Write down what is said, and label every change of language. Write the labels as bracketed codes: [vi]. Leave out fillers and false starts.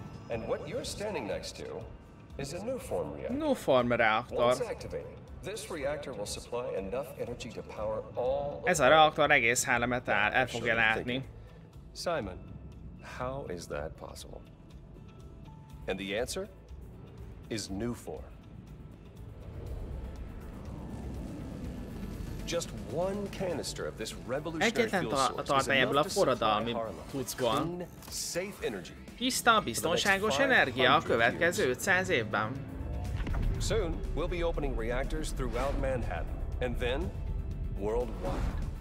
[en] And what you're standing next to is a [hu] Nuform reaktor. [en] This reactor will supply enough energy to power all. [hu] Ez a reaktor egész hálemet el fogja látni. [en] Simon, how is that possible? And the answer is Nuform. Just one canister of this revolutionary fuel source is enough to supply safe energy. [hu] Tiszta, biztonságos energia a következő 500 évben. [en] Soon we'll be opening reactors throughout Manhattan and then worldwide.